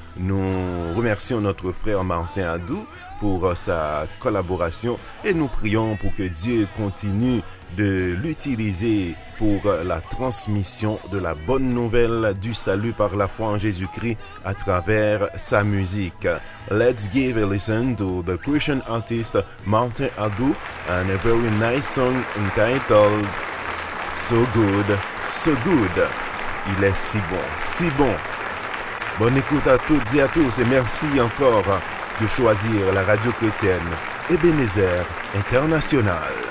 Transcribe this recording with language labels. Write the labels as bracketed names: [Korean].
[French] Nous remercions notre frère Martin Adou pour sa collaboration et nous prions pour que Dieu continue de l'utiliser pour la transmission de la bonne nouvelle du salut par la foi en Jésus-Christ à travers sa musique. [English] Let's give a listen to the Christian artist Martin Adou and a very nice song entitled So Good, So Good. [French] Il est si bon, si bon. Bonne écoute à toutes et à tous et merci encore de choisir la radio chrétienne Ebenezer International.